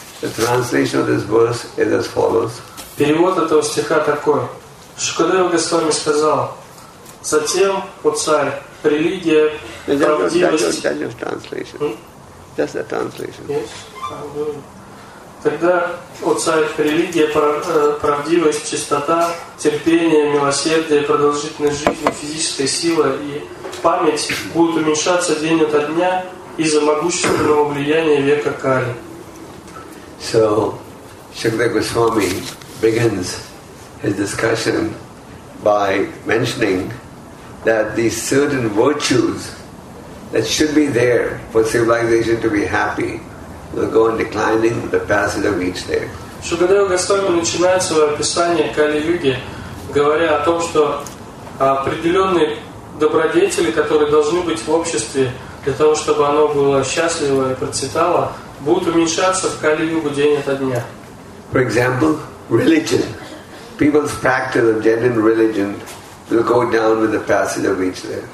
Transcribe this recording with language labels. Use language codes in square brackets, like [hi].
[en] The translation of this verse is as follows. [ru] Перевод этого стиха такой. Шукадева Госвами сказал, затем, о царь, религия, [en] Just the translation. Yes. [ru] Тогда, о царь, религия, правдивость, чистота, терпение, милосердие, продолжительность жизни, физическая сила и память будет уменьшаться день ото дня из-за могущественного влияния века Кали. [en] So, Shukadeva Goswami begins his discussion by mentioning that these certain virtues that should be there for civilization to be happy will go on declining the passage of each day. [ru] Shukadeva Goswami начинает свое описание Кали-юги, говоря о том, что определенные добродетели, которые должны быть в обществе для того, чтобы оно было счастливо и процветало, будут уменьшаться в Кали-югу день ото дня. [en] For example, religion. People's practice of genuine religion will go down with the passage of each day.